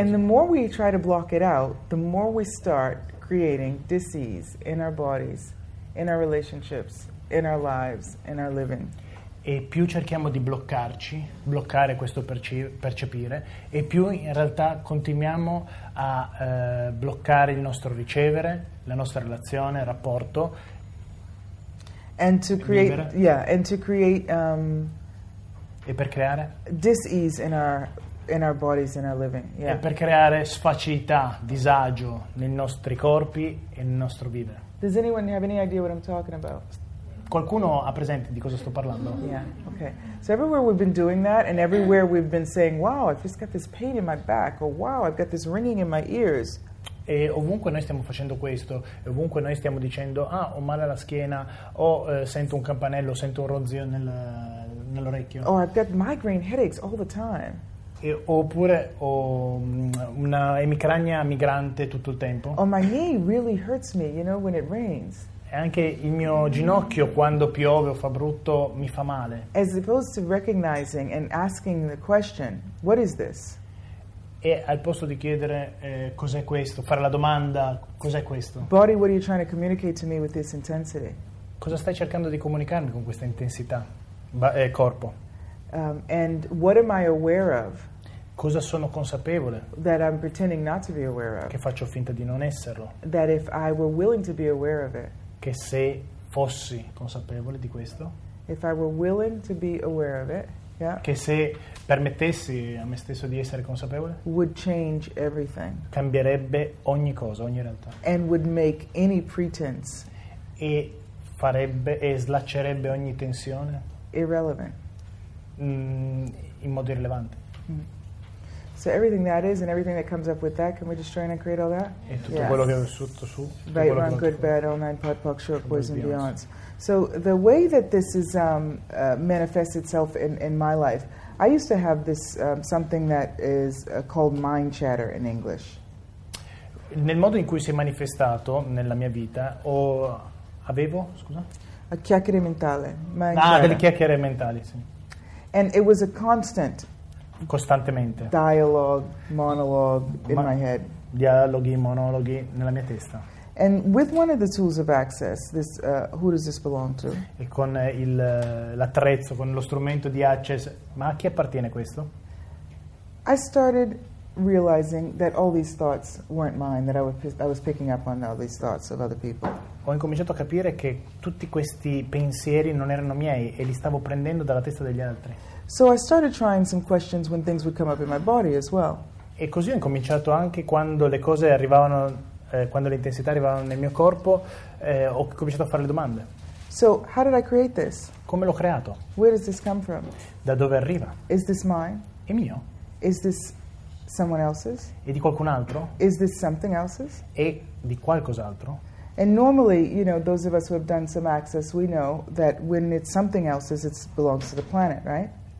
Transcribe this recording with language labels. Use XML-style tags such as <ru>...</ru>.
<en>And the more we try to block it out, the more we start creating disease in our bodies, in our relationships, in our lives, in our living.</en> <it>E più cerchiamo di bloccarci, bloccare questo percepire, e più in realtà continuiamo a bloccare il nostro ricevere, la nostra relazione, il rapporto.</it> <en>And to create, and to create,</en> <it>e per creare</it> <en>dis-ease in our bodies, in our living. Yeah.</en> <it>E per creare sfacilità, disagio nei nostri corpi e nel nostro vivere.</it> <en>Does anyone have any idea what I'm talking about?</en> <it>Qualcuno ha presente di cosa sto parlando?</it> <en>Yeah, okay. So everywhere we've been doing that and everywhere we've been saying, wow, I've just got this pain in my back, or wow, I've got this ringing in my ears.</en> <it>E ovunque noi stiamo facendo questo, e ovunque noi stiamo dicendo, ah, ho male alla schiena, o sento un campanello, sento un ronzio nell'orecchio.</it> <en>Or I've got migraine headaches all the time.</en> <it>E oppure ho una emicrania migrante tutto il tempo.</it> <en>Oh, my knee really hurts me, you know, when it rains.</en> <it>E anche il mio ginocchio quando piove o fa brutto mi fa male.</it> <en>As opposed to recognizing and asking the question, what is this?</en> <it>E al posto di chiedere cos'è questo, fare la domanda, cos'è questo?</it> <en>Body, what are you trying to communicate to me with this intensity?</en> <it>Cosa stai cercando di comunicarmi con questa intensità? Corpo.</it> <en>And what am I aware of?</en> <it>Cosa sono consapevole?</it> <en>That I'm pretending not to be aware of.</en> <it>Che faccio finta di non esserlo.</it> <en>That if I were willing to be aware of it.</en> <it>Che se fossi consapevole di questo,</it> <en>if I were willing to be aware of it,</en> <it>che se permettessi a me stesso di essere consapevole</it> <en>would change everything.</en> <it>Cambierebbe ogni cosa, ogni realtà.</it> <en>And would make any pretense.</en> <it>E farebbe e slaccerebbe ogni tensione</it> <en>irrelevant.</en> <it>In modo irrilevante.</it> <en>So everything that is and everything that comes up with that, can we destroy and create all that?</en> <it>E tutto yes. quello che è sotto su.</it> <en>Right, wrong, good, bad, all nine, pot, pock, short, poison, beyonds. So the way that this is manifest itself in my life, I used to have this something that is called mind chatter in English.</en> <it>Nel modo in cui si è manifestato nella mia vita, o avevo, scusa? A chiacchiere mentale. Delle chiacchiere mentali, sì.</it> <en>And it was a constant.</en> <it>Costantemente.</it> <en>Dialogue, monologue in my head.</en> <it>Dialoghi, monologhi nella mia testa.</it> <en>And with one of the tools of access, this who does this belong to?</en> <it>E con l'attrezzo, con lo strumento di access, ma a chi appartiene questo?</it> <en>I started realizing that all these thoughts weren't mine, that I was picking up on all these thoughts of other people.</en> <it>Ho incominciato a capire che tutti questi pensieri non erano miei e li stavo prendendo dalla testa degli altri.</it> <en>So I started trying some questions when things would come up in my body as well.</en> <it>E così ho incominciato anche quando le cose arrivavano, quando le intensità arrivavano nel mio corpo, ho cominciato a fare le domande.</it> <en>So how did I create this?</en> <it>Come l'ho creato?</it> <en>Where does this come from?</en> <it>Da dove arriva?</it> <en>Is this mine?</en> <it>È mio?</it> <en>Is this someone else's?</en> <it>È di qualcun altro?</it> <en>Is this something else's?</en> <it>È di qualcos'altro?</it> <en>And normally, you know, those of us who have done some access, we know that when it's something else's, it belongs to the planet, right?</en>